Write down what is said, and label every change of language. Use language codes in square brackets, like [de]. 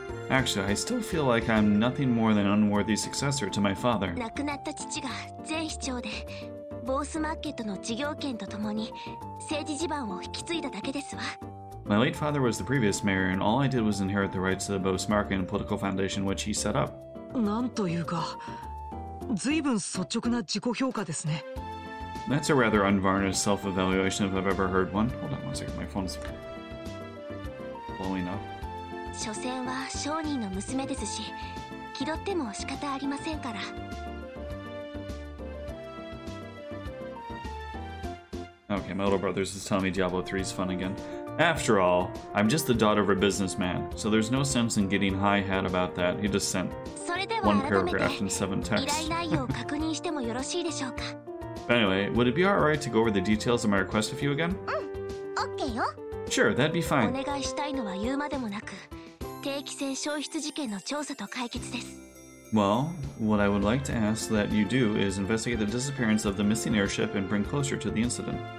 [en] Actually, I still feel like I'm nothing more than an unworthy successor to my father. My father was a mayor of Bose Market and his business rights and political foundations. My late father was the previous mayor, and all I did was inherit the rights to the Bose Market and political foundation which he set up. [ja] なんというか、随分率直な自己評価ですね。 [en] That's a rather unvarnished self-evaluation if I've ever heard one. Hold on one second, my phone's blowing up. [ja] 所詮は商人の娘ですし、気取っても仕方ありませんから。 [en] Okay, my little brother's just telling me Diablo 3 is fun again. After all, I'm just the daughter of a businessman, so there's no sense in getting high-hat about that. He just sent one paragraph and 7 texts. Anyway, would it be alright to go over the details of my request with you again? Sure, that'd be fine. [ja] お願いしたいのは言うまでもなく、定期船消失事件の調査と解決です。 [en] Well, what I would like to ask that you do is investigate the disappearance of the missing airship and bring closer to the incident.